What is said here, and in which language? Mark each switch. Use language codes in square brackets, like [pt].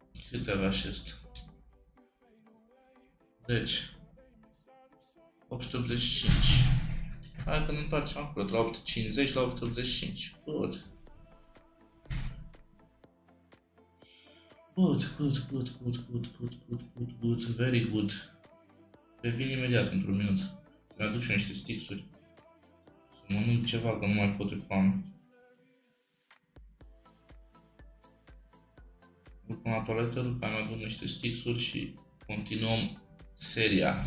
[ro] Câte avea și asta? 10. 885. Hai că ne întoarcem acolo, de la 850 la 885. [en] Good. Good, good, good, good, good, good, good, good, good, very good. [ro] Revin imediat, într-un minut. Să-mi aduc și eu niște stixuri. Să mănânc ceva, că nu mai pot de foame. Urc la toaletă, după aia mi-aduc niște stixuri și continuăm seria.